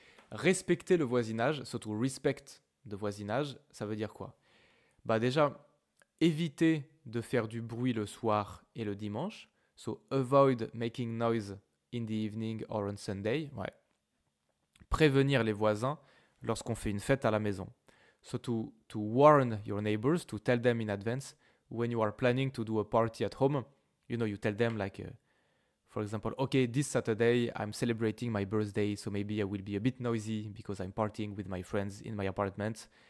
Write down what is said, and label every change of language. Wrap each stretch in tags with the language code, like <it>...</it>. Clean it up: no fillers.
<fr>Respecter le voisinage, surtout respect de voisinage, ça veut dire quoi? Bah déjà, éviter de faire du bruit le soir et le dimanche.</fr> <en>So, avoid making noise in the evening or on Sunday.</en> <fr>Ouais. Prévenir les voisins lorsqu'on fait une fête à la maison.</fr> <en>So, to warn your neighbors, to tell them in advance, when you are planning to do a party at home, you know, you tell them like, for example, okay, this Saturday, I'm celebrating my birthday, so maybe I will be a bit noisy because I'm partying with my friends in my apartment.</en>